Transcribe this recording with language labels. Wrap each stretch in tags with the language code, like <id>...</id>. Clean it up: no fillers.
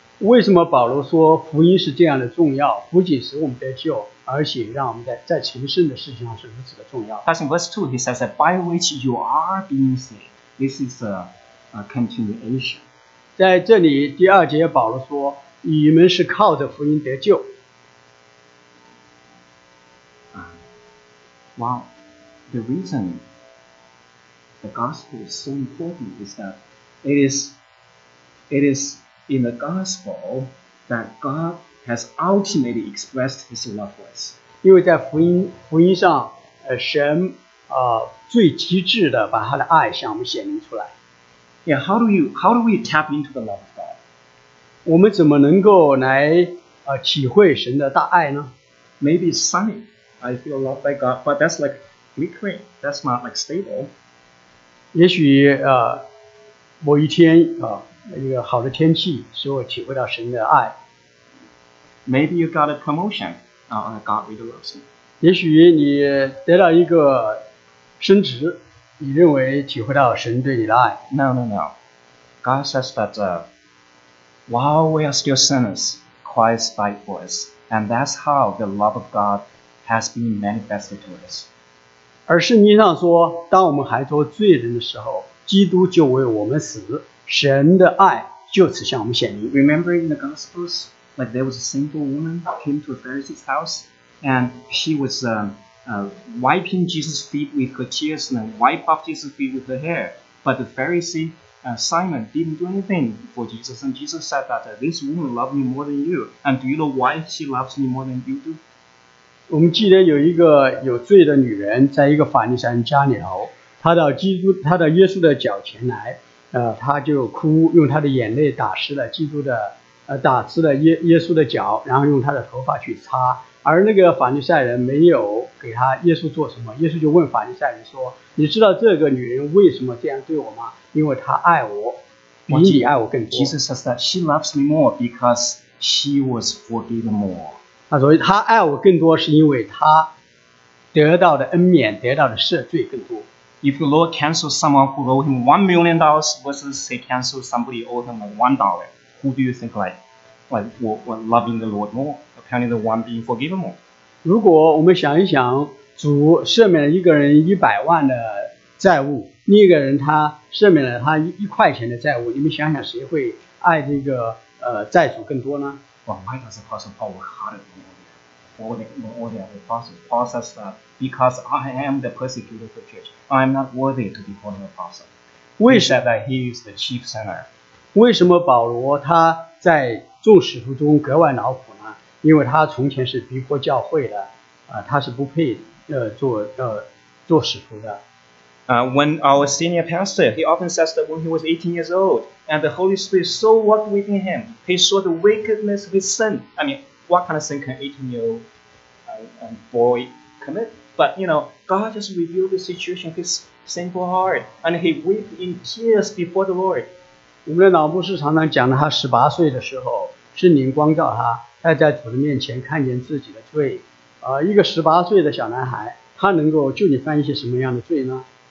<zh>为什么保罗说福音是这样的重要，不仅使我们得救，而且让我们在成圣的事情上是如此的重要。</zh> <en>As in verse 2, he says that by which you are being saved, this is a continuation.</en> <zh>在这里第二节保罗说你们是靠着福音得救。</zh> <en>Well, the reason the gospel is so important is that it is in the gospel that God has ultimately expressed his love for us.</en> <zh>因为在福音上神最极致的把他的爱向我们显明出来。</zh> <en>Yeah, how do we tap into the love of God?</en> <zh>我们怎么能够来体会神的大爱呢？</zh> <en>Maybe it's sunny. I feel loved by God, but that's like flickering. That's not like stable.</en> <zh>也许某一天一个好的天气使我体会到神的爱。</zh> <en>Maybe you got a promotion, or God really loves you.</en> <zh>也许你得到一个升职。你认为体会到神对你的爱</zh> <en>？No. God says that while we are still sinners, Christ died for us, and that's how the love of God has been manifested to us.</en> <zh>而圣经上说，当我们还做罪人的时候，基督就为我们死，神的爱就此向我们显明。</zh> <en>Remember in the Gospels, like there was a sinful woman came to a Pharisee's house, and she was wiping Jesus' feet with her tears and wipe off Jesus' feet with her hair. But the Pharisee, Simon, didn't do anything for Jesus. And Jesus said that this woman loved me more than you. And do you know why she loves me more than you do?</en> <zh>我们记得有一个有罪的女人在一个法利赛人家里头，她到耶稣的脚前来，她就哭，用她的眼泪打湿了基督的，打湿了耶稣的脚，然后用她的头发去擦。而那个法利赛人没有给他耶稣做什么，耶稣就问法利赛人说：“你知道这个女人为什么这样对我吗？因为她爱我，比你爱我更多。”</zh> <en>Jesus says that she loves me more because she was forgiven more.</en> <zh>他说她爱我更多是因为她得到的恩免，得到的赦罪更多。</zh> <en>If the Lord cancels someone who owed him $1 million versus he cancels somebody owed him $1, who do you think like loving the Lord more? Apparently the one being forgiven more.</en> <zh>如果我们想一想，主赦免了一个人100万的债务，另一个人他赦免了他1块钱的债务，你们想想谁会爱这个债主更多呢？</zh> <en>Well, why does the apostle Paul work harder than all the other apostles? Paul says that because I am the persecutor of the church, I'm not worthy to be called an apostle. He said that he is the chief sinner.</en> <zh>为什么保罗他在众使徒中格外劳苦呢？因为他从前是逼迫教会的，他是不配做使徒的。</zh> <en>When our senior pastor, he often says that when he was 18 years old, and the Holy Spirit so worked within him, he saw the wickedness of his sin. I mean, what kind of sin can 18-year-old boy commit? But you know, God just revealed the situation of his sinful heart, and he wept in tears before the Lord.</en> <zh>我们的老牧师常常讲的，他18岁的时候，圣灵光照他，他在主的面前看见自己的罪。一个18岁的小男孩，他能够就你犯一些什么样的罪呢</zh>